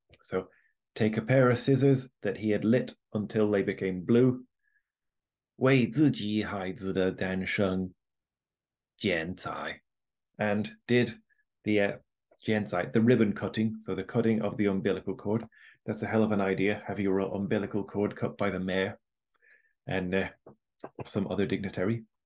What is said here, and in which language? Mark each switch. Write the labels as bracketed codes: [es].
[en] so take a pair of scissors that he had lit until they became blue. [zh] 为自己孩子的诞生剪裁, [en] and did the 剪裁, the ribbon cutting, so the cutting of the umbilical cord. That's a hell of an idea, have your umbilical cord cut by the mayor and some other dignitary.